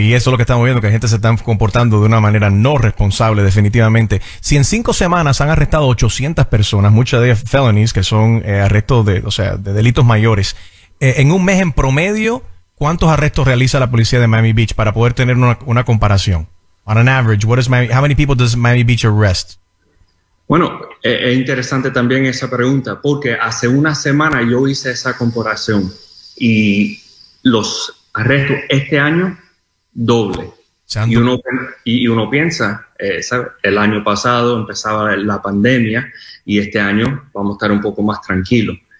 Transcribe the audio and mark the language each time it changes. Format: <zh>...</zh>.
<es>Y eso es lo que estamos viendo, que la gente se está comportando de una manera no responsable, definitivamente. Si en 5 semanas han arrestado 800 personas, muchas de ellas felonies, que son arrestos de, o sea, de delitos mayores, en un mes en promedio, ¿cuántos arrestos realiza la policía de Miami Beach para poder tener una comparación?</es> <en>On an average, what is Miami, how many people does Miami Beach arrest?</en> <es>Bueno, es interesante también esa pregunta, porque hace una semana yo hice esa comparación y los arrestos este año doble. Y uno piensa, el año pasado empezaba la pandemia y este año vamos a estar un poco más tranquilos.</es>